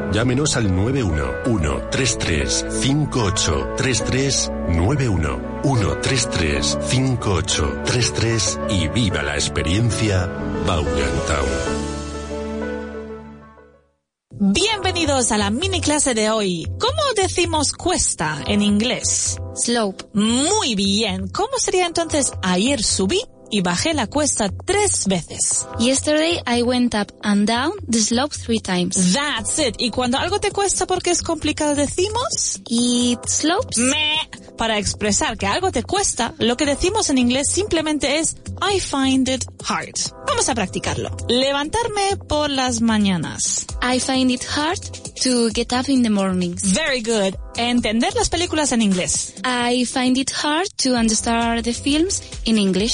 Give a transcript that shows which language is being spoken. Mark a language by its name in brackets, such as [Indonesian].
[Spanish] Llámenos al 911-33-5833, 911-33-5833 y viva la experiencia Vaughan Town. Bienvenidos a la mini clase de hoy. ¿Cómo decimos cuesta en inglés? [English] Slope. [Spanish] Muy bien. ¿Cómo sería entonces ayer subí y bajé la cuesta 3 veces? [English] Yesterday I went up and down the slope 3 times. That's it. [Spanish] ¿Y cuando algo te cuesta porque es complicado decimos? [English] It slopes. Meh. [Spanish] Para expresar que algo te cuesta, lo que decimos en inglés simplemente es [English] I find it hard. [Spanish] Vamos a practicarlo. Levantarme por las mañanas. [English] I find it hard to get up in the mornings. Very good. [Spanish] Entender las películas en inglés. [English] I find it hard to understand the films in English.